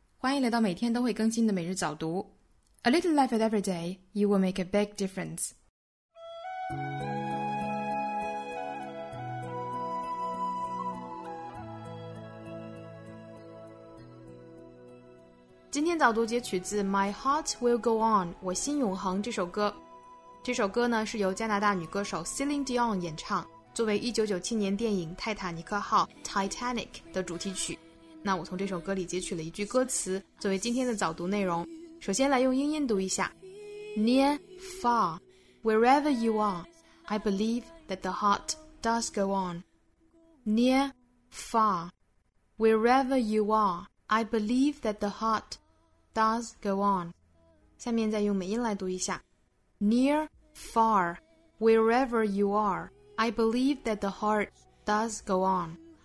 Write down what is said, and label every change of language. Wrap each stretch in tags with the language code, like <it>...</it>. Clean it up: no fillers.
<zh>欢迎来到每天都会更新的每日早读。</zh> <en>A little effort every day, you will make a big difference. My Heart Will Go On,</en> <zh>我心永恒这首歌。这首歌呢是由加拿大女歌手 Celine Dion 演唱，作为1997年电影泰坦尼克号 Titanic 的主题曲。那我从这首歌里截取了一句歌词作为今天的早读内容，首先来用英音读一下</zh> <en>Near, far, wherever you are, I believe that the heart does go on. Near, far, wherever you are, I believe that the heart does go on.</en> <zh>下面再用美音来读一下</zh> <en>Near, far, wherever you are, I believe that the heart does go on.</en>